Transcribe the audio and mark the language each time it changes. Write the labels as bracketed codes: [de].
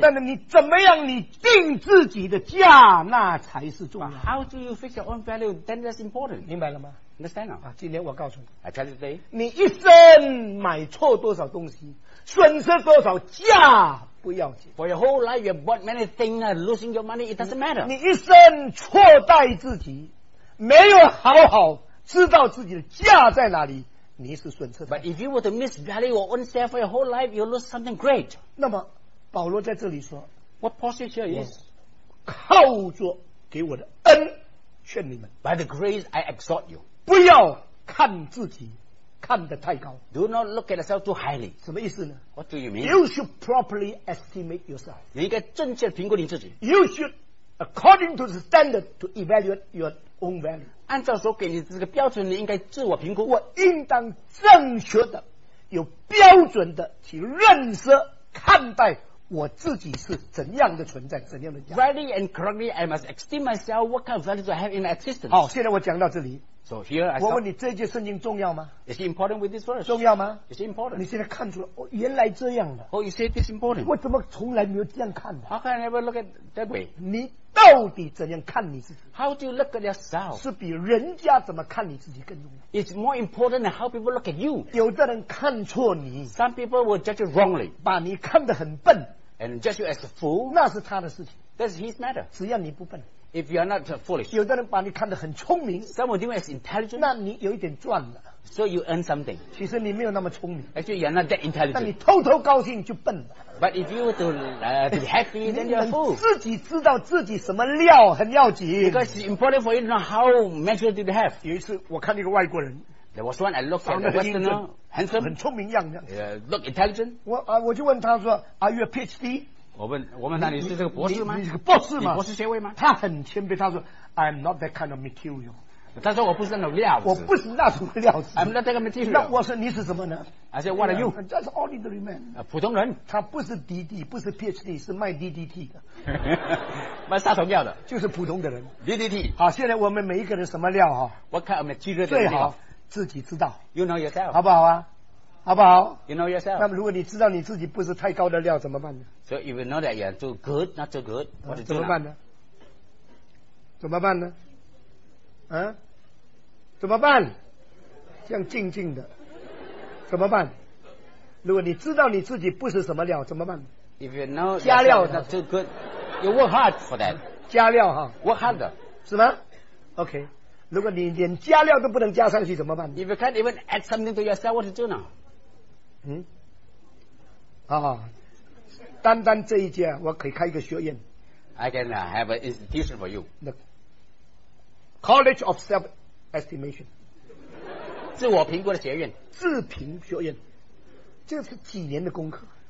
[zh] 但是你怎么样你定自己的价，那才是重要。 [en] But how do you fix your own value? Then that's important. [zh] 明白了吗？ [en] Understand [zh] now. 今天我告诉你 [en] I tell you today [zh] 你一生买错多少东西损失多少价不要紧 [en] For your whole life you have bought many things losing your money it doesn't matter [zh] 你一生错待自己没有好好知道自己的价在哪里你是损失的 [en] But if you were to misvalue your own self for your whole life you'll lose something great [zh] 那么保罗在这里说 [en] What posture is [zh] 靠着给我的恩劝你们 [en] By the grace I exhort you [zh] 不要看自己看得太高 [en] Do not look at yourself too highly [zh] 什么意思呢 [en] What do you mean? You should properly estimate yourself [zh] 你应该正确评估你自己 [en] You should according to the standard to evaluate your own value [zh] 按照所给你这个标准你应该自我评估我应当正确的有标准的去认识看待我自己是怎样的存在怎样的价 [en] Rightly and correctly I must esteem myself what kind of value do I have in my existence [zh] 好现在我讲到这里 [en] So、here I [zh] 我问你这节圣经重要吗 [en] Is it important with this verse? [zh] 重要吗 [en] Is it important? [zh] 你现在看出来、哦、原来这样的 [en] Oh you say this important [zh] 我怎么从来没有这样看 [en] How can I ever look at that way? [zh] 你到底怎样看你自己 [en] How do you look at yourself? [zh] 是比人家怎么看你自己更重要 [en] It's more important than how people look at you [zh] 有的人看错你 [en] Some people will judge you wrongly [zh] 把你看得很笨 [en] And judge you as a fool [zh] 那是他的事情 [en] That's his matter [zh] 只要你不笨 [en] If you are not foolish, [zh] 有的人把你看得很聪明 [en] Some of you are intelligent [zh] 那你有一点赚了 [en] So you earn something [zh] 其实你没有那么聪明 [en] Actually you are not that intelligent [zh] 但你偷偷高兴就笨了 [en] But if you were to be happy, then you are a fool [zh] 自己知道自己什么料很要紧 [en] Because it's important for you to know how measure did you have [zh] 有一次我看一个外国人 [en] There was one I looked at, a westerner Handsome [zh] 很聪明样子 [en] Look intelligent [zh] 我就问他说 [en] Are you a PhD? [zh] 我问他你是这个博士吗你是个博士吗你博士学位吗他很谦卑他说 [en] I'm not that kind of material [zh] 他说我不是那种料子我不是那种料子 [en] I'm not that kind of material [zh] 那我说你是什么呢 [en] I said what are you just ordinary man [zh] 普通人他不是 DD 不是 PhD 是卖 DDT 的卖杀虫药的就是普通的人 DDT 好现在我们每一个人什么料 [en] What kind of material [zh] 最好自己知道 [en] You know yourself [zh] 好不好啊好不好 [en] You know yourself [zh] 那么如果你知道你自己不是太高的料怎么办呢 [en] So if you know that you are too good not too good [zh] 怎么办呢怎么办呢、啊、怎么办这样静静的怎么办如果你知道你自己不是什么料怎么办 [en] If you know [zh] 加料 [en] not too good You work hard for that [zh] 加料哈 [en] Work harder [zh] 是吗 OK 如果你连加料都不能加上去怎么办 [en] If you can't even add something to yourself what to do now [zh] 单单这一家我可以开一个学院 [en] I can have an institution for you The College of Self-Estimation [zh] 自我评估的学院自评学院这是几年的功课